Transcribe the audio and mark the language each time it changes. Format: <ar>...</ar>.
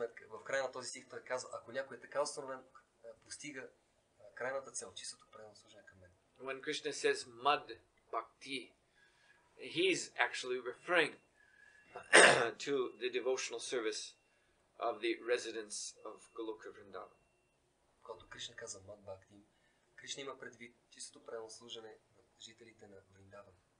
<bg>В край на този стих той казва, ако някой е така установен, постига крайната цел, чистото предано служение към мен.</bg> <en>When Krishna says mad bhakti, he's actually referring to the devotional service of the residents of Goloka Vrindavan.</en> <bg>Когато Кришна казва mad bhakti, Кришна има предвид чистото предано служене на жителите на Вриндаван.</bg>